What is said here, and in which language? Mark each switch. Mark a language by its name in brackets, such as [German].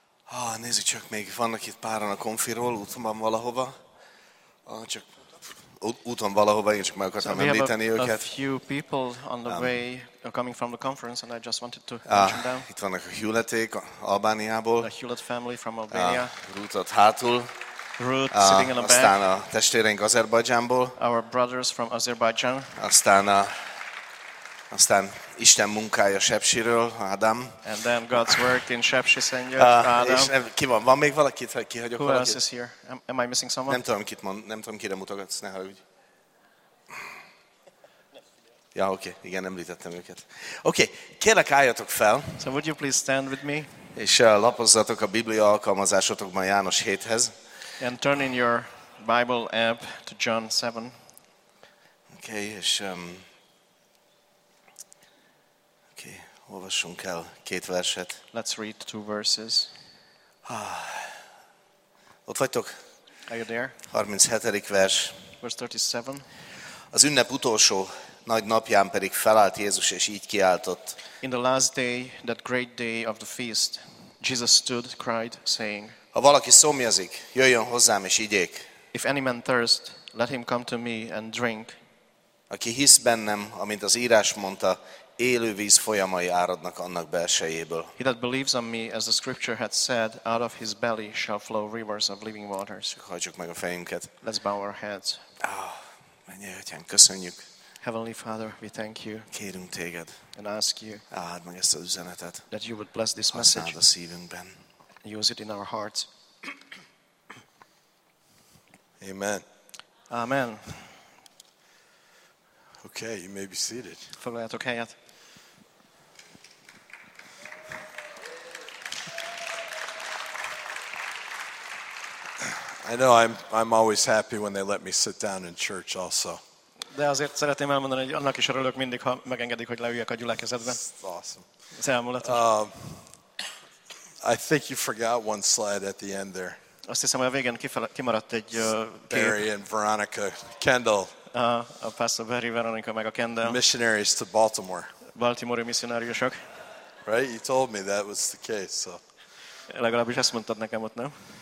[Hungarian] Ah, nézzük csak, még vannak itt páran a konfiról, útban valahova. Ah, csak úton valahova, én csak meg akartam említeni [English] so [Hungarian] őket. [English] A few people on the way coming from the conference, and I just wanted to mention them. [Hungarian] Itt vannak a Hewlették, Albániából. [English] The Hewlett family from Albania. [Hungarian] Ruth ott hátul. [English] Ruth sitting in a back. [Hungarian] Aztán a testvéreink Azerbajdzsánból. [English] Our brothers from Azerbaijan. [Hungarian] Aztán Isten munkája Sepsiről, Ádám. [English] And then God's work in Sepsi Senior, Ádám. [Hungarian] És ki van? Van még valaki, ha kihagyok [English] Who [Hungarian] valakit? [English] Who else is here? Am I missing someone? [Hungarian] Nem tudom, kit mond, nem tudom, kire mutogatsz, ne haragudj. Ja, oké, okay. Igen, említettem őket. Oké, okay. Kérlek, álljatok fel. [English] So would you please stand with me? [Hungarian] És lapozzatok a Biblia alkalmazásotokban János 7-hez. [English] And turn in your Bible app to John 7. [Hungarian] Oké, okay, és... Olvassunk el két verset. [English] Let's read two verses. [Hungarian] Ott vagytok? [English] Are you there? [Hungarian] 37. vers. [English] Verse 37. [Hungarian] Az ünnep utolsó nagy napján pedig felállt Jézus és így kiáltott. [English] In the last day, that great day of the feast, Jesus stood, cried, saying, [Hungarian] Ha valaki szomjazik, jöjjön hozzám és igyék. [English] If any man thirst, let him come to me and drink. [Hungarian] Aki hisz bennem, amint az írás mondta, élő víz folyamai áradnak annak belsejéből. [English] He that believes on me, as the scripture had said, out of his belly shall flow rivers of living waters. [Hungarian] Hagyjuk meg a fejünket. [English] Let's bow our heads. [Hungarian] Mennyi Atyán, köszönjük. [English] Heavenly Father, we thank you. [Hungarian] Kérünk téged. [English] And ask you. [Hungarian] Áld meg ezt az üzenetet. [English] That you would bless this message. [Hungarian] Használd a szívünkben. [English] Use it in our hearts. [Hungarian] Amen. [English] Amen. Okay, you may be seated. [Hungarian] Foglaljátok helyet. [English] I know I'm always happy when they let me sit down in church also. [Hungarian] De azért szeretném elmondani, hogy annak is örülök mindig, ha megengedik, hogy leüljek a gyülekezetbe. [English] Awesome. [Hungarian] Szemületes. [English] I think you forgot one slide at the end there. [Hungarian] Azt hiszem, hogy a végén kimaradt egy kép. [English] Barry and Veronica Kendall. [Hungarian] A Pastor Barry, Veronica, meg a Kendall. [English] Missionaries to Baltimore. [Hungarian] Baltimore missionáriusok. [English] Right? You told me that was the case. So. [Hungarian] Legalábbis ezt mondtad nekem ott, nem?